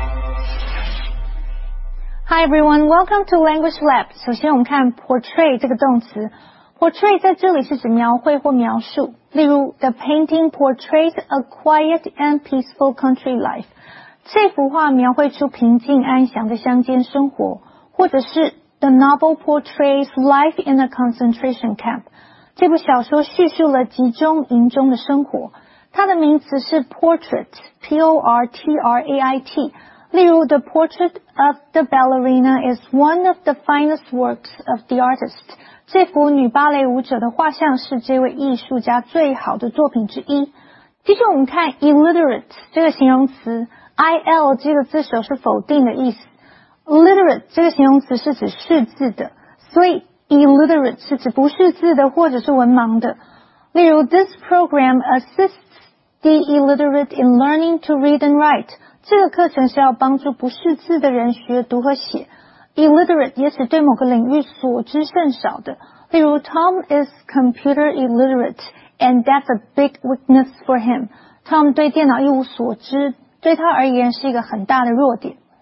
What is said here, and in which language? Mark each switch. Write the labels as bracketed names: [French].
[English] Hi everyone, welcome to Language Lab. [Chinese] 首先我们看 portray 这个动词。Portray 在这里是指描绘或描述。例如 [English] ,the painting portrays a quiet and peaceful country life. [Chinese] 这幅画描绘出平静安详的乡间生活。或者是 [English] ,the novel portrays life in a concentration camp. [Chinese] 这部小说叙述了集中营中的生活。它的名词是 [English] portrait, P-O-R-T-R-A-I-T, [Chinese] 例如 [English] The Portrait of the Ballerina is one of the finest works of the artist. [Chinese] 这幅女芭蕾舞者的画像是这位艺术家最好的作品之一。接着我们看 illiterate 这个形容词 ,IL 这个字首是否定的意思。 Literate 这个形容词是指识字的。所以 illiterate 是指不识字的或者是文盲的。例如 [English] ,this program assists the illiterate in learning to read and write. [Chinese] 这个课程是要帮助不识字的人学读和写。 Illiterate 也指对某个领域所知甚少的。例如 [English] ,Tom is computer illiterate, and that's a big weakness for him. [Chinese] Tom 对电脑一无所知,对他而言是一个很大的弱点。